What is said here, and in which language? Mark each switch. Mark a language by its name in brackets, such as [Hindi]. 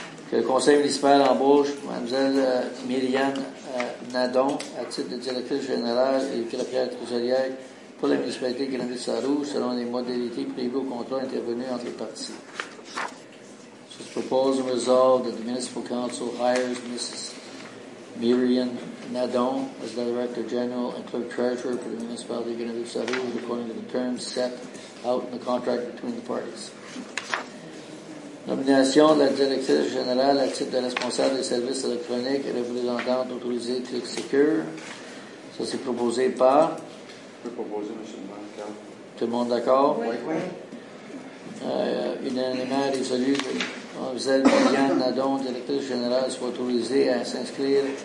[French] Que le conseil municipal embauche Mlle Myriam Nadon à titre de directrice générale et greffière trésorière pour la municipalité de Granville-Sarrou selon les modalités prévues au contrat intervenu entre les parties. [English] So, propose and resolve that the municipal council hires Mrs. Myriam Nadon as the Director General and Clerk Treasurer for the Municipality of Granville-Sarrou according to the terms set out in the contract between the parties. [French] Nomination de la directrice générale à titre de responsable des services électroniques et représentante autorisée Click Secure. Ça, c'est proposé par. Je peux proposer, M. le maire. Tout le monde d'accord? Oui. Unanimement résolu que Mlle Marianne Nadon, directrice générale, soit autorisée à s'inscrire.